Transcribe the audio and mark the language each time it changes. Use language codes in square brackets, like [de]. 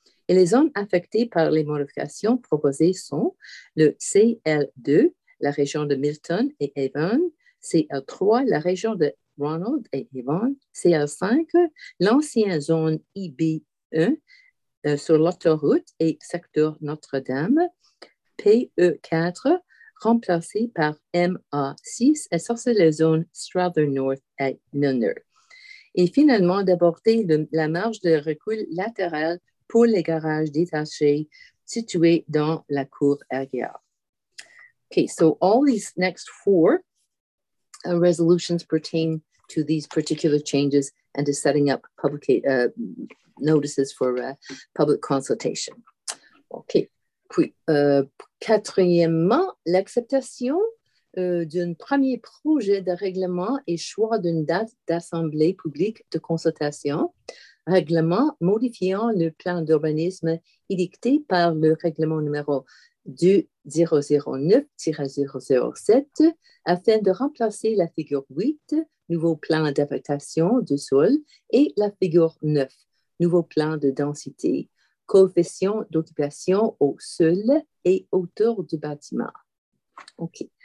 [fr] Et les zones affectées par les modifications proposées sont le CL2, la région de Milton et Avon, CL3, la région de Ronald et Avon, CL5, l'ancienne zone IB1 sur l'autoroute et secteur Notre-Dame, PE4, remplacée par MA6, et ça c'est la zone Strather North et Milner. Et finalement, d'aborder la marge de recul latérale pour les garages détachés situés dans la cour arrière. [en] Okay, so all these next four resolutions pertain to these particular changes and to setting up public notices for public consultation. [fr] Okay, puis quatrièmement, l'acceptation d'un premier projet de règlement et choix d'une date d'assemblée publique de consultation. Règlement modifiant le plan d'urbanisme édicté par le règlement numéro 2009-007 afin de remplacer la figure 8, nouveau plan d'affectation du sol, et la figure 9, nouveau plan de densité, coefficient d'occupation au sol et autour du bâtiment. OK.